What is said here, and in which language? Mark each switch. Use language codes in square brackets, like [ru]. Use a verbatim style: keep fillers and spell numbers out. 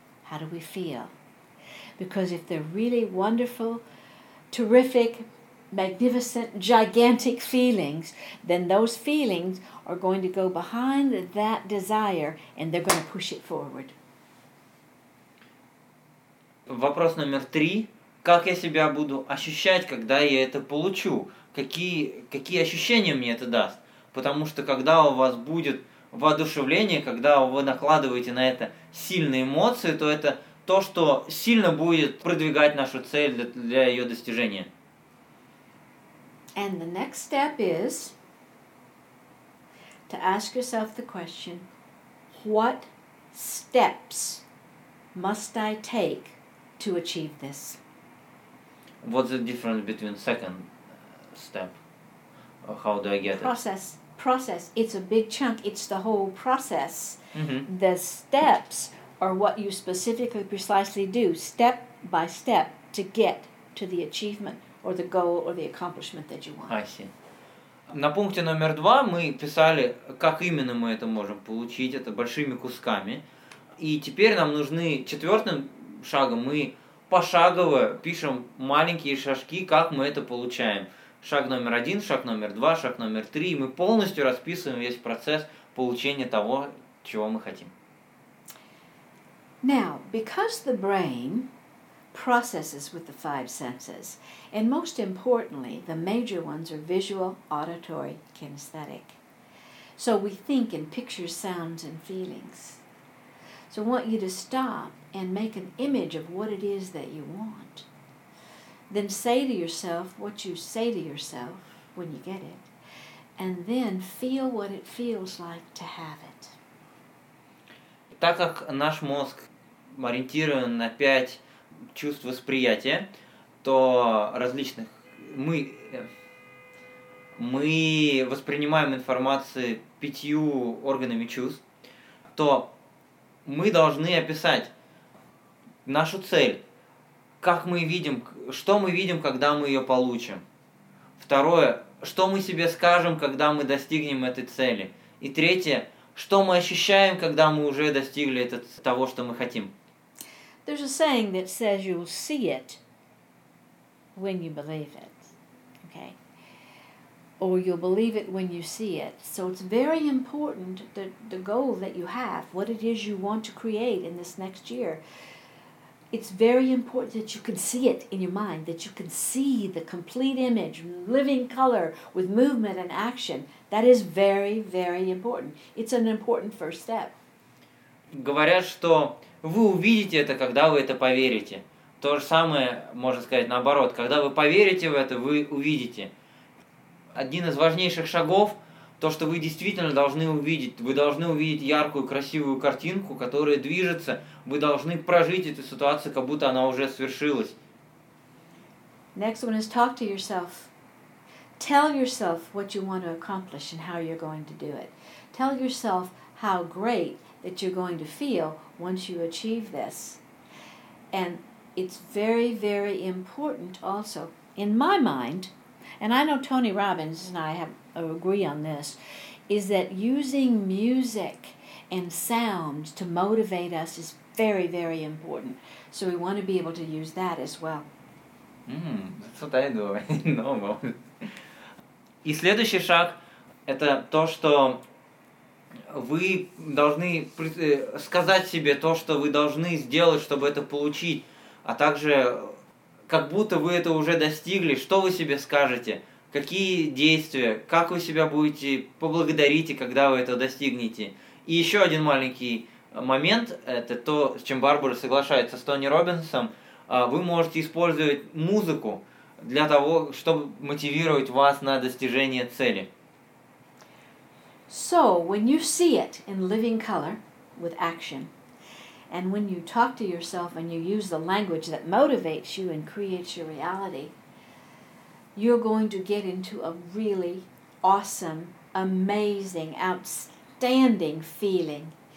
[en] How do we feel? Because if they're really wonderful, terrific, magnificent, gigantic feelings, then those feelings are going to go behind that desire and they're going to push it forward. [ru] Вопрос номер три. Как я себя буду ощущать, когда я это получу? Какие, какие ощущения мне это даст? Потому что когда у вас будет воодушевление, когда вы накладываете на это сильные эмоции, то это то, что сильно будет продвигать нашу цель для, для ее достижения. [en] And the next step is to ask yourself the question, what steps must I take to achieve this? What's the difference between second step? How do I get process, it? Process. It's a big chunk. It's the whole process. Mm-hmm. The steps are what you specifically, precisely do, step by step, to get to the achievement or the goal or the accomplishment that you want. I see. [ru] На пункте номер два мы писали, как именно мы это можем получить. Это большими кусками. И теперь нам нужны четвертым шагом. Мы пошагово пишем маленькие шажки, как мы это получаем. Шаг номер один, шаг номер два, шаг номер три. Мы полностью расписываем весь процесс получения того, чего мы хотим. [en] Now, because the brain processes with the five senses, and most importantly, the major ones are visual, auditory, kinesthetic. So we think in pictures, sounds, and feelings. So I want you to stop and make an image of what it is that you want. Then say to yourself what you say to yourself when you get it. And then feel what it feels like to have it. [ru] Так как наш мозг ориентирован на пять чувств восприятия, то различных мы, мы воспринимаем информацию пятью органами чувств, то мы должны описать нашу цель. Как мы видим, что мы видим, когда мы ее получим. Второе, что мы себе скажем, когда мы достигнем этой цели. И третье, что мы ощущаем, когда мы уже достигли это, того, что мы хотим. [en] There's a saying that says you'll see it when you believe it. Okay? Or you'll believe it when you see it. So it's very important that the goal that you have, what it is you want to create in this next year, it's very important that you can see it in your mind, that you can see the complete image, living color, with movement and action. That is very, very important. It's an important first step. [ru] Говорят, что вы увидите это, когда вы это поверите. То же самое можно сказать наоборот. Когда вы поверите в это, вы увидите. Один из важнейших шагов, то, что вы действительно должны увидеть. Вы должны увидеть яркую, красивую картинку, которая движется. Вы должны прожить эту ситуацию, как будто она уже свершилась. [en] Next one is talk to yourself. Tell yourself what you want to accomplish and how you're going to do it. Tell yourself how great that you're going to feel once you achieve this. And it's very, very important also, in my mind, and I know Tony Robbins and I have agree on this, is that using music and sounds to motivate us is very, very important. So we want to be able to use that as well. Mm, that's what I do. I know about it. [ru] И следующий шаг – это то, что вы должны сказать себе то, что вы должны сделать, чтобы это получить, а также как будто вы это уже достигли, что вы себе скажете, какие действия, как вы себя будете поблагодарите, когда вы это достигнете. И еще один маленький момент, это то, с чем Барбара соглашается с Тони Роббинсом, вы можете использовать музыку для того, чтобы мотивировать вас на достижение цели. [en] So, when you see it in living color with action, and when you talk to yourself and you use the language that motivates you and creates your reality, you're going to get into a really awesome, amazing, outstanding feeling.